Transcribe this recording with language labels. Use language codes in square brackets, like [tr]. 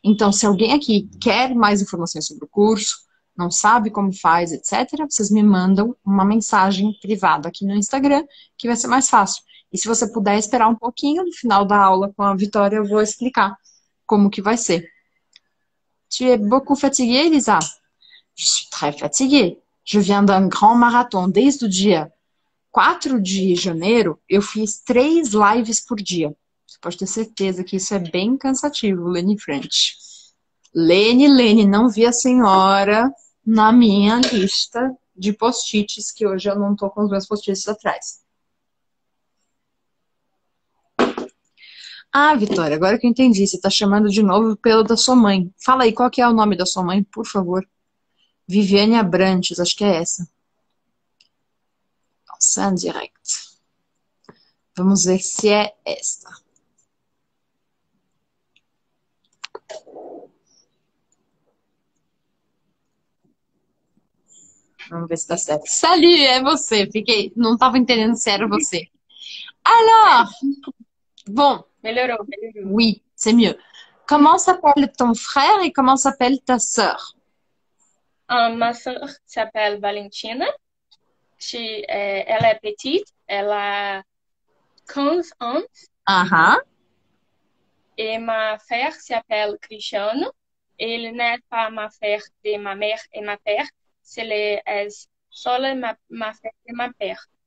[pt] Então, se alguém aqui quer mais informações sobre o curso, não sabe como faz, etc., vocês me mandam uma mensagem privada aqui no Instagram, que vai ser mais fácil. E se você puder esperar um pouquinho, no final da aula com a Vitória, eu vou explicar como que vai ser. [fr] Tu es beaucoup fatiguée, Elisa? Je suis très fatiguée. Je viens d'un grand marathon. [pt] Desde o dia 4 de janeiro, eu fiz 3 lives por dia. Você pode ter certeza que isso é bem cansativo, Lenny French. Lenny, não vi a senhora na minha lista de post-its, que hoje eu não estou com os meus post-its atrás. Ah, Vitória, agora que eu entendi, você tá chamando de novo pelo da sua mãe. Fala aí, qual que é o nome da sua mãe, por favor? Viviane Abrantes, acho que é essa. Nossa, direct. Vamos ver se é esta. Vamos ver se tá certo. Sali, é você. Fiquei, não tava entendendo se era você. [fr] Alors! [pt] Bom. Melhorou, melhorou. [fr] Oui, c'est mieux. Comment s'appelle ton frère et comment s'appelle ta sœur? Ma sœur s'appelle Valentina. [pt] Ela é [fr] petite. [pt] Ela tem 15 anos. E [fr] ma frère s'appelle Cristiano. [pt] Ele não é [fr] pas ma frère de ma mère e ma père. [pt] Ele é só [fr] ma frère de ma père.